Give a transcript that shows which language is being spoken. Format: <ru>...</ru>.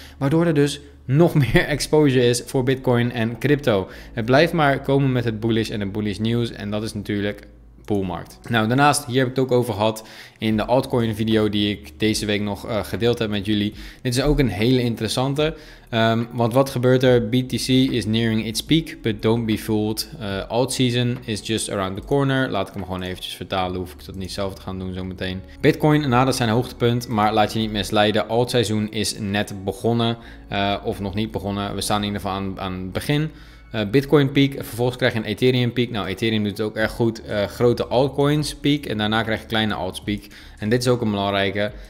<nl>Waardoor er dus nog meer exposure is voor Bitcoin en crypto. Het blijft maar komen met het bullish en het bullish nieuws. En dat is natuurlijk poolmarkt. Nou, daarnaast, hier heb ik het ook over gehad in de altcoin video die ik deze week nog gedeeld heb met jullie. Dit is ook een hele interessante. Want wat gebeurt er?</nl> <en>BTC is nearing its peak, but don't be fooled. Alt season is just around the corner.</en> <nl>Laat ik hem gewoon eventjes vertalen, hoef ik dat niet zelf te gaan doen zometeen. Bitcoin nadert zijn hoogtepunt, maar laat je niet misleiden. Alt seizoen is net begonnen, of nog niet begonnen. We staan in ieder geval aan het begin. Bitcoin peak, vervolgens krijg je een Ethereum peak. Nou, Ethereum doet het ook erg goed. Grote altcoins peak en daarna krijg je kleine alts peak. En dit is ook een belangrijke.</nl>